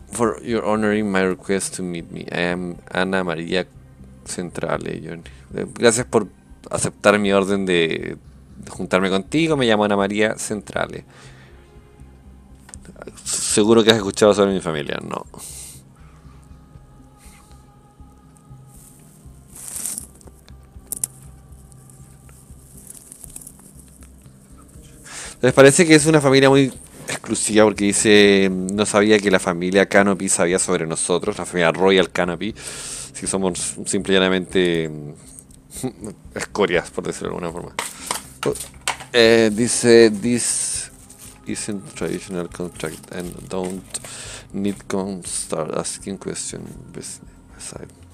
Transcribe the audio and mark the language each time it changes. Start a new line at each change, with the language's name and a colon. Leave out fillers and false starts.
English: for your honoring my request to meet me. I am Ana María Centrale.
Spanish: Gracias por aceptar mi orden de juntarme contigo. Me llamo Ana María Centrale. Seguro que has escuchado sobre mi familia. No. Les parece que es una familia muy exclusiva porque dice, no sabía que la familia Canopy sabía sobre nosotros, la familia Royal Canopy, si somos simple y llanamente escorias, por decirlo de alguna forma. Dice,
English: this isn't traditional contract and don't need to start asking questions aside.